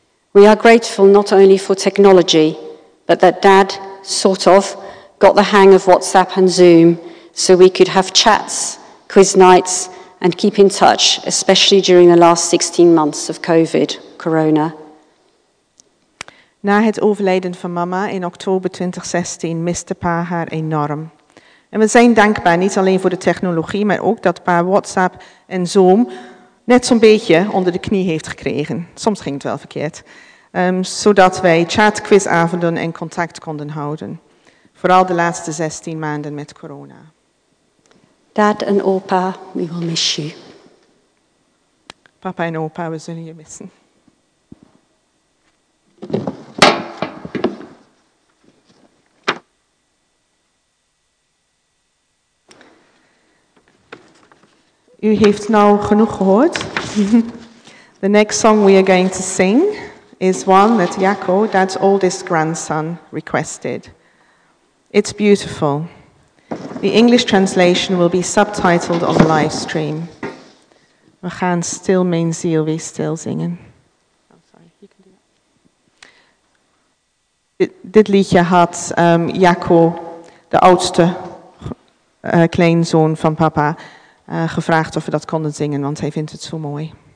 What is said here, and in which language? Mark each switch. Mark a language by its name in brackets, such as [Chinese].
[English] We are grateful not only for technology, but that Dad sort of got the hang of WhatsApp and Zoom so we could have chats, quiz nights, and keep in touch, especially during the last 16 months of COVID, corona. [Dutch] Na het overlijden van mama in oktober 2016 miste pa haar enorm. En we zijn dankbaar niet alleen voor de technologie, maar ook dat pa WhatsApp en Zoom net zo'n beetje onder de knie heeft gekregen. Soms ging het wel verkeerd. Zodat wij chatquizavonden en contact konden houden. Vooral de laatste 16 maanden met corona. [English] Dad en opa, we will miss you. [Dutch] Papa en opa, we zullen je missen. U heeft nou genoeg gehoord. [English] The next song we are going to sing is one that Jaco, Dad's oldest grandson, requested. It's beautiful. The English translation will be subtitled on the live stream. [Dutch] We gaan Still Mijn Ziel Wees Stil zingen. Oh, sorry. You can do that. Dit liedje had Jaco, de oudste kleinzoon van papa, gevraagd of we dat konden zingen, want hij vindt het zo mooi.